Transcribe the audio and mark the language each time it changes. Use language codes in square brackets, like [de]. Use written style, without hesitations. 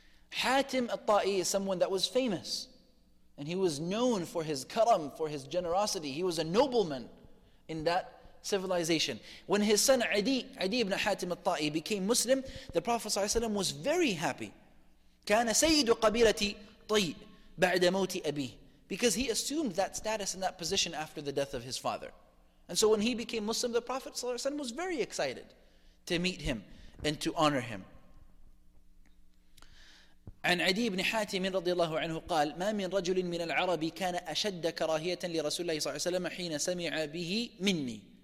[en] Hatim al-Ta'i is someone that was famous, and he was known for his karam, for his generosity. He was a nobleman in that civilization. When his son Adi ibn Hatim al-Ta'i became Muslim, the Prophet ﷺ was very happy. [ar] كان سيد قبيلة طي بعد موت أبيه. [en] Because he assumed that status and that position after the death of his father. And so when he became Muslim, the Prophet ﷺ was very excited to meet him and to honor him. [ar] عن عدي بن حاتم رضي الله عنه قال ما من رجل من العرب كان أشد كراهية لرسول الله صلى الله عليه وسلم حين سمع به مني.